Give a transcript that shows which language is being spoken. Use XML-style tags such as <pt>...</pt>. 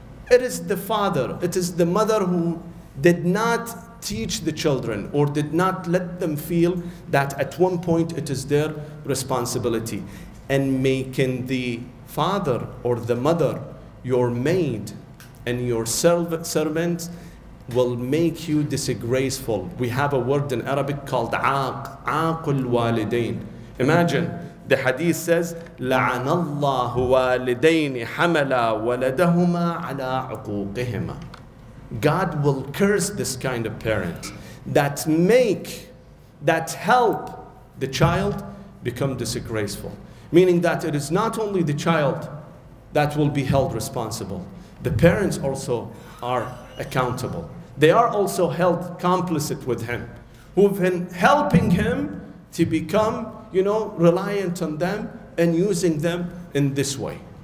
<en>It is the father, it is the mother who did not teach the children or did not let them feel that at one point it is their responsibility. And making the father or the mother your maid and your servant will make you disgraceful. We have a word in Arabic called aq, aqul walidain. Imagine, the hadith says,</en> <ar>لَعَنَ اللَّهُ وَالِدَيْنِ حَمَلَا وَلَدَهُمَا عَلَىٰ عُقُوقِهِمَا.</ar> <en>God will curse this kind of parent that make, that help the child become disgraceful. Meaning that it is not only the child that will be held responsible. The parents also are accountable. They are also held complicit with him, who have been helping him to become, you know, reliant on them and using them in this way.</en>